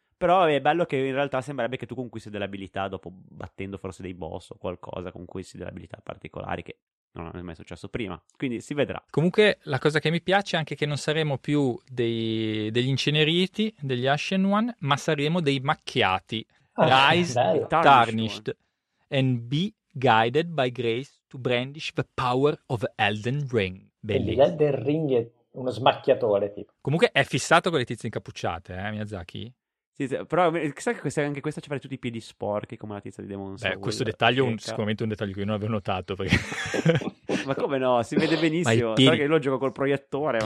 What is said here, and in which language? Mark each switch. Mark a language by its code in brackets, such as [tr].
[it] Però è bello che in realtà sembrerebbe che tu conquisti delle abilità dopo battendo forse dei boss o qualcosa, conquisti delle abilità particolari che non è mai successo prima, quindi si vedrà. Comunque la cosa che mi piace è anche che non saremo più degli inceneriti, degli Ashen One, ma saremo dei macchiati. [en] Rise tarnished and be guided by grace to brandish the power of Elden Ring. [it] Bellissimo. Elden Ring è uno smacchiatore, tipo. Comunque è fissato con le tizie incappucciate, Miyazaki? Sì, sì, però chissà che anche questa ci fa tutti i piedi sporchi come la tizia di Demon's Souls. Beh, Soul, questo dettaglio è sicuramente un dettaglio che io non avevo notato, perché... Ma come no? Si vede benissimo. Però che io lo gioco col proiettore.